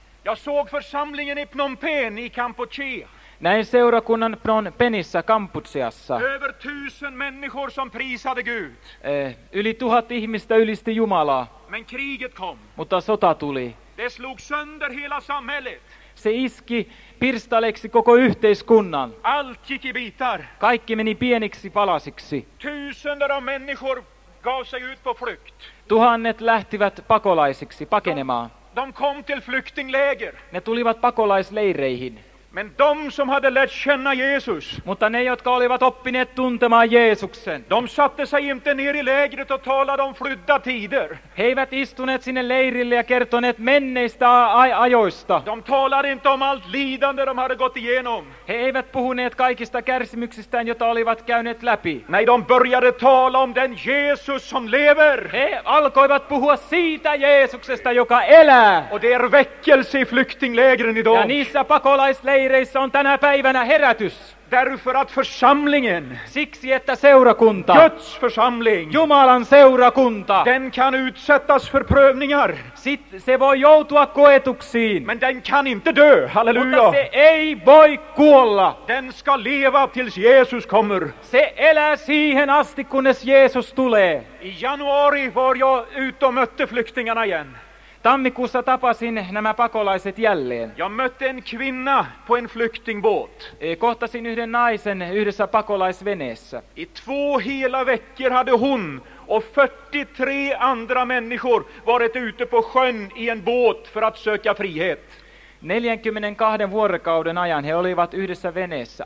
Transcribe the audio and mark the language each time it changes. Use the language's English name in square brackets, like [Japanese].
[Swedish] Jag såg församlingen i Phnom Penh i Kampuchea. [Finnish] Näin seurakunnan Phnom Penhissä Kampucheassa. [Swedish] Över 1000 människor som prisade Gud. [Finnish] Yli 1000 ihmistä ylisti Jumalaa. [Swedish] Men kriget kom. [Finnish] Mutta sota tuli. [Swedish] Det slog sönder hela samhället. [Finnish] Se iski pirstaleksi koko yhteiskunnan. [Swedish] Allt gick i bitar. [Finnish] Kaikki meni pieniksi palasiksi. [Swedish] Tusender av människor gav sig ut på flykt. [Finnish] Tuhannet lähtivät pakolaisiksi pakenemaan. [Swedish] De kom till flyktingläger. [Finnish] Ne tulivat pakolaisleireihin. [Swedish] Men de som hade lärt känna Jesus. [Finnish] Mutta ne, jotka olivat oppineet tuntemaan Jeesuksen. [Swedish] De satte sig inte ner i lägret och talade om flydda tider. [Finnish] He eivät istuneet sinne leirille ja kertoneet menneistä ajoista. [Swedish] De talade inte om allt lidande de hade gått igenom. [Finnish] He eivät puhuneet kaikista kärsimyksistään, jota olivat käyneet läpi. [Swedish] Nej, de började tala om den Jesus som lever. [Finnish] He alkoivat puhua siitä Jeesuksesta, joka elää. [Swedish] Och det är väckelse i flyktinglägren idag. [Finnish] Ja niissä pakolaisleireissä on tänä päivänä herätys. [Swedish] Därför att församlingen, [Finnish] siksi että seurakunta, [Swedish] Guds församling, [Finnish] Jumalan seurakunta, [Swedish] den kan utsättas för prövningar. [Finnish] Se voi joutua koetuksiin. [Swedish] Men den kan inte dö, halleluja. [Finnish] Mutta se ei voi kuolla. [Swedish] Den ska leva tills Jesus kommer. [Finnish] Se elää siihen asti, kunnes Jeesus tulee. [Swedish] I januari var jag ut och mötte flyktingarna igen. [Finnish] Tammikuussa tapasin nämä pakolaiset jälleen. [Swedish] Jag mötte en kvinna på en flyktingbåt. [Finnish] Kohtasin yhden naisen yhdessä pakolaisveneessä. [Swedish] I 2 hela veckor hade hon och 43 andra människor varit ute på sjön i en båt för att söka frihet. [Finnish] 42 vuorokauden ajan he olivat yhdessä veneessä.